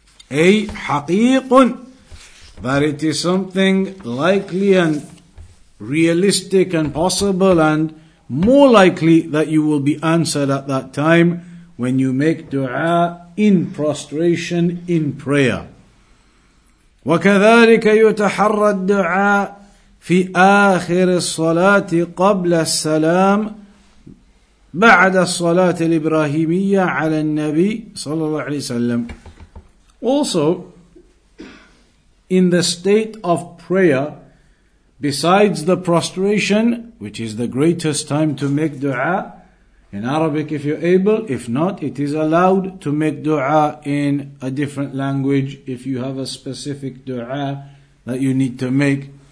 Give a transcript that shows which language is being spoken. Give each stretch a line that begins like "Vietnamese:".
Arabic: أي حَقِيقٌ.
English: But it is something likely and realistic and possible and more likely that you will be answered at that time when you make dua in prostration, in prayer.
Arabic: وكذلك يتحرى الدعاء في آخر الصلاة قبل السلام بعد الصلاة الإبراهيمية على النبي صلى الله عليه وسلم.
English: Also, in the state of prayer, besides the prostration, which is the greatest time to make dua, in Arabic if you're able, if not, it is allowed to make dua in a different language if you have a specific dua that you need to make.